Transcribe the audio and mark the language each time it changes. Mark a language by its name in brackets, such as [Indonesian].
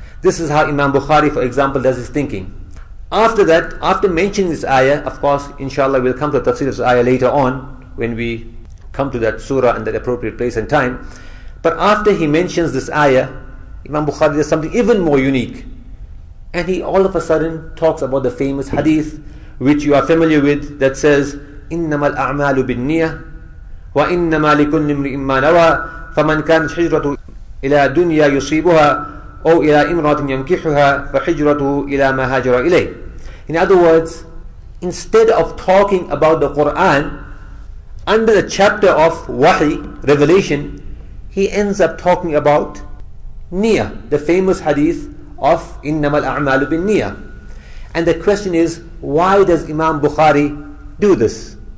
[English] This is how Imam Bukhari, for example, does his thinking. After that, after mentioning this ayah, of course, inshallah, we'll come to the tafsir of this ayah later on when we come to that surah and that appropriate place and time. But after he mentions this ayah, Imam Bukhari does something even more unique. And he all of a sudden talks about the famous hadith which you are familiar with that says, [Arabic] إِنَّمَا الْأَعْمَالُ بِالنِّيَّةِ وَإِنَّمَا لِكُلِّ امْرِئٍ مَّا نَوَى فَمَنْ كَانَتْ هِجْرَتُهُ إِلَى دُنْيَا يُصِيبُهَا أَوْ إِلَى امْرَأَةٍ يَنْكِحُهَا فَهِجْرَتُهُ إِلَى مَا هَاجَرَ إِلَيْهِ. [English] In other words, instead of talking about the Quran under the chapter of Wahi, revelation, he ends up talking about Niyah, the famous hadith of [Arabic] إِنَّمَا الْأَعْمَالُ بِالنِّيَّةِ. [English] And the question is, why does Imam Bukhari do this?